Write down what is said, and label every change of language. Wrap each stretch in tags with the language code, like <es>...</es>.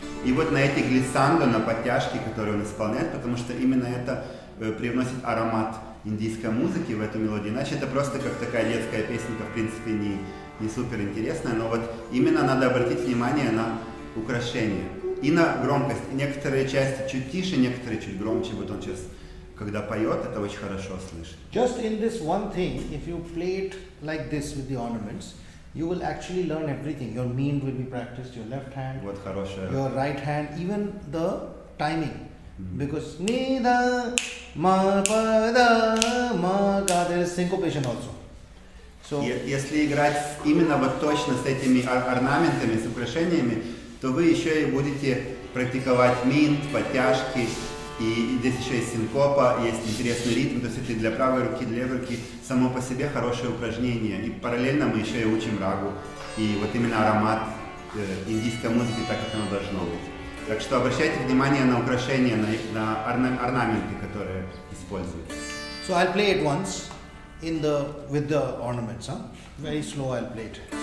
<ru>И вот на этих глиссандо, на подтяжке, которые он исполняет, потому что именно это привносит аромат индийской музыки в эту мелодию. Иначе это просто как такая детская песенка, в принципе, не супер интересная. Но вот именно надо обратить внимание на украшение и на громкость. И некоторые части чуть тише, некоторые чуть громче. Вот он сейчас, когда поет, это очень хорошо слышит.</ru> <en>Just in this one thing, if you play it like this with the ornaments, you will actually learn everything. Your mean will be practiced, your left hand,</en> <ru>вот хорошая,</ru> <en>your right hand, even the timing. Mm-hmm. Because ni da ma pa da ma ga, there is syncopation also. So</en> <ru>если играть именно вот точно с этими орнаментами, с украшениями, то вы еще и будете практиковать мин, подтяжки. И здесь еще есть синкопа, есть интересный ритм, то есть это для правой руки, для левой руки, само по себе хорошее упражнение. И параллельно мы еще и учим рагу, и вот именно аромат индийской музыки, так как оно должно быть. Так что обращайте внимание на украшения, на орнаменты, которые используют.</ru> <en>So I'll play it once in the, with the ornaments, huh? Very slow I'll play it.</en>